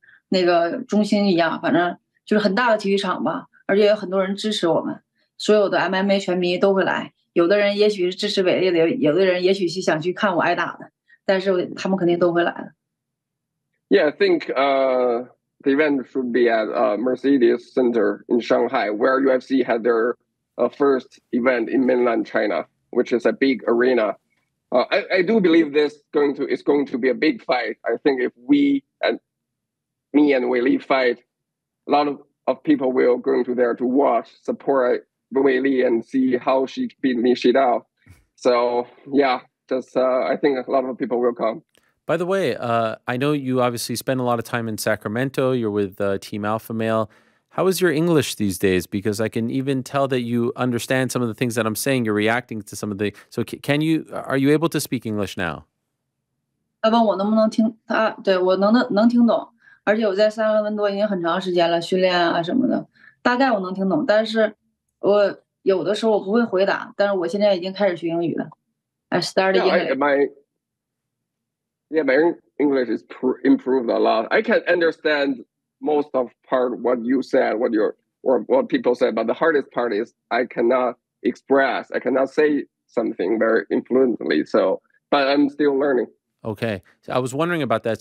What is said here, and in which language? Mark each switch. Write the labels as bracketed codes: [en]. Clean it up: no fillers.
[zh] 那个中心一样，反正就是很大的体育场吧，而且有很多人支持我们，所有的 MMA 全迷都会来。有的人也许是支持伟力的，有的人也许是想去看我挨打的，但是他们肯定都会来的。 [en] Yeah, I think the event should be at Mercedes Center in Shanghai, where UFC had their first event in mainland China, which is a big arena. I do believe this is going to be a big fight. I think if we andme and Weili fight, a lot of people will go to there to watch, support Weili and see how she beat Nishida. So yeah, I think a lot of people will come. By the way, I know you obviously spend a lot of time in Sacramento. You're with Team Alpha Male. How is your English these days? Because I can even tell that you understand some of the things that I'm saying. You're reacting to some of the... So can you... Are you able to speak English now? [zh] 对，我能听懂。而且我在三个人多已经很长时间了，训练啊什么的，大概我能听懂。但是我有的时候我不会回答，但是我现在已经开始学英语了。 [en] I started my English is improved a lot. I can understand most of part what you said, what people said, but the hardest part is I cannot say something very fluently. So, but I'm still learning. Okay. So I was wondering about that.